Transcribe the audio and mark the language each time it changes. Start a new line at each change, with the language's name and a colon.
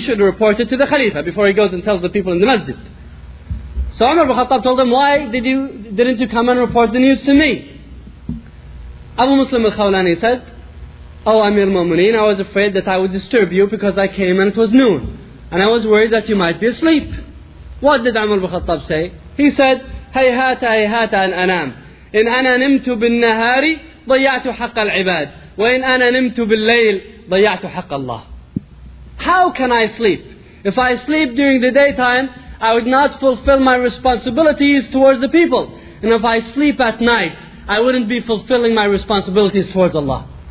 English: He should report it to the Khalifa before he goes and tells the people in the masjid. So Umar ibn Khattab told him, why didn't you come and report the news to me? Abu Muslim al-Khawlani said, oh Amir al-Mu'mineen, I was afraid that I would disturb you because I came and it was noon. And I was worried that you might be asleep. What did Umar ibn Khattab say? He said,
Arabic: هيهات هيهات أن أنام إن أنا نمت بالنهار ضيعت حق العباد وإن أنا نمت بالليل ضيعت حق الله.
English: How can I sleep? If I sleep during the daytime, I would not fulfill my responsibilities towards the people. And if I sleep at night, I wouldn't be fulfilling my responsibilities towards Allah.